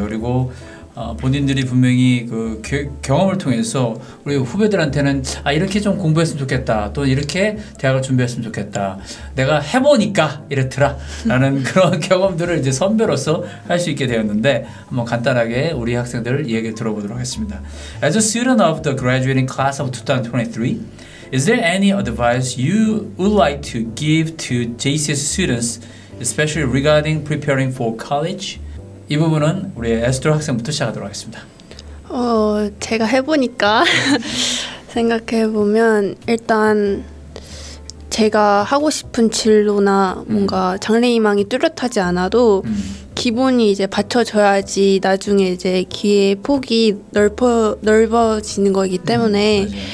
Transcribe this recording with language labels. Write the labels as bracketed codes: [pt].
[ko] 그리고 본인들이 분명히 그 경험을 통해서 우리 후배들한테는 아 이렇게 좀 공부했으면 좋겠다, 또 이렇게 대학을 준비했으면 좋겠다, 내가 해보니까 이렇더라라는 그런 경험들을 이제 선배로서 할 수 있게 되었는데 한번 간단하게 우리 학생들 이야기 들어보도록 하겠습니다. [en] As a student of the graduating class of 2023, is there any advice you would like to give to JCS students, especially regarding preparing for college? [ko] 이 부분은 우리 에스토르 학생부터 시작하도록 하겠습니다. 제가 해보니까 생각해보면 일단 제가 하고 싶은 진로나 뭔가 장래희망이 뚜렷하지 않아도 기본이 이제 받쳐줘야지 나중에 이제 기회의 폭이 넓어지는 거이기 때문에